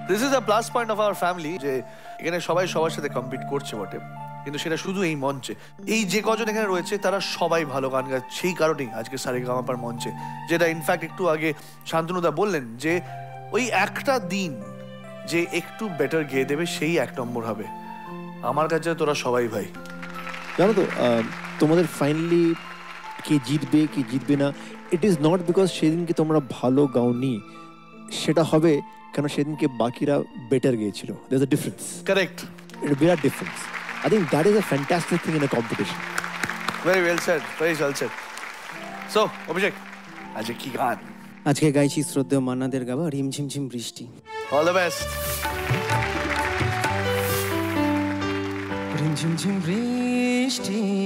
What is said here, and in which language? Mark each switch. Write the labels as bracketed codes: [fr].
[en] this is the plus point of our family [bn] যে এখানে সবাই সবার সাথে কম্পিট করছে বটে কিন্তু সেটা শুধু এই মঞ্চে এই যে কজন এখানে রয়েছে তারা সবাই ভালো গান গায় সেই কারণেই আজকে সারেগামাপার মঞ্চে যেটা ইনফ্যাক্ট একটু আগে শান্তনুদা বললেন যে ওই একটা দিন যে একটু বেটার গেয়ে দেবে সেই এক নম্বর হবে আমার কাছে তোরা সবাই ভাই জানো তো তোমাদের ফাইনালি কে জিতবে কি জিতবে না [en] it is not because [bn] সেদিনকে তোমরা ভালো গাওনি সেটা হবে কেন সেদিনকে বাকিরা বেটার গিয়েছিল [en] There's a difference correct it বিরাট difference I think that is a fantastic thing in a competition. Very well said. Very well said. [bn] So, Abhishek, আজকে কি গান? আজকে গাইছি শ্রদ্ধেয় মান্নাদের গাওয়া রিমঝিম ঝিম বৃষ্টি. [en] All the best. [bn] রিমঝিম ঝিম বৃষ্টি.